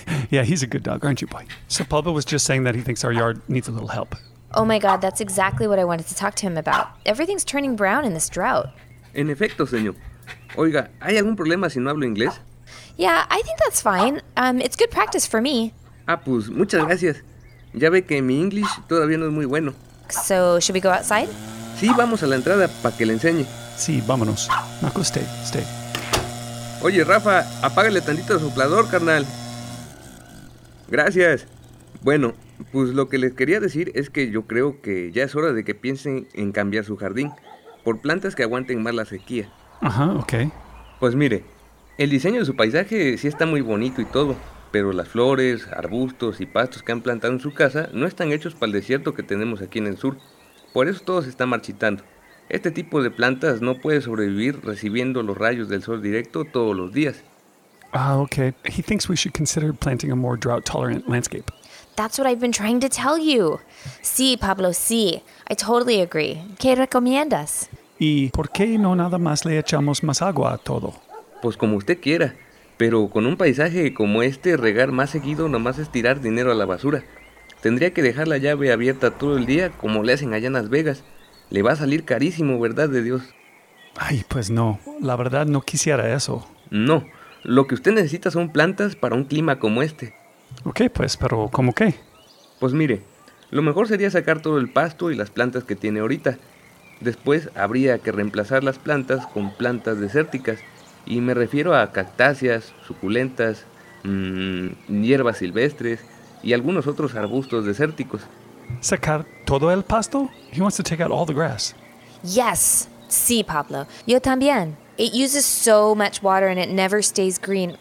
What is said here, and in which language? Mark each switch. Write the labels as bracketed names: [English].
[English] Yeah, he's a good dog, aren't you, boy? So Pablo was just saying that he thinks our yard needs a little help. Oh my God, that's exactly what I wanted to talk to him about. Everything's turning brown in this drought. [Spanish] En efecto, señor. Oiga, ¿hay algún problema si no hablo inglés? [English] Yeah, I think that's fine. It's good practice for me. [Spanish] Ah, pues, muchas gracias. Ya ve que mi English todavía no es muy bueno. [English] So, should we go outside? [Spanish] Sí, vamos a la entrada para que le enseñe. Sí, vámonos. Marco, [English] stay, stay. [Spanish] Oye, Rafa, apágale tantito el soplador, carnal. Gracias. Bueno, pues lo que les quería decir es que yo creo que ya es hora de que piensen en cambiar su jardín por plantas que aguanten más la sequía. Ajá, ok. Pues mire, el diseño de su paisaje sí está muy bonito y todo, pero las flores, arbustos y pastos que han plantado en su casa no están hechos para el desierto que tenemos aquí en el sur. Por eso todo se está marchitando. Este tipo de plantas no puede sobrevivir recibiendo los rayos del sol directo todos los días. [English] Ah, ok. He thinks we should consider planting a more drought-tolerant landscape. That's what I've been trying to tell you. [Spanish] Sí, Pablo, sí. [English] I totally agree. [Spanish] ¿Qué recomiendas? ¿Y por qué no nada más le echamos más agua a todo? Pues como usted quiera. Pero con un paisaje como este, regar más seguido nomás es tirar dinero a la basura. Tendría que dejar la llave abierta todo el día como le hacen allá en Las Vegas. Le va a salir carísimo, ¿verdad de Dios? Ay, pues no. La verdad no quisiera eso. No. Lo que usted necesita son plantas para un clima como este. Ok, pues, ¿pero cómo qué? Pues mire, lo mejor sería sacar todo el pasto y las plantas que tiene ahorita. Después habría que reemplazar las plantas con plantas desérticas. Y me refiero a cactáceas, suculentas, hierbas silvestres y algunos otros arbustos desérticos. ¿Sacar todo el pasto? [English] He wants to take out all the grass. [Spanish] Yes, sí, Pablo. Yo también. [English] It uses so much water and it never stays green.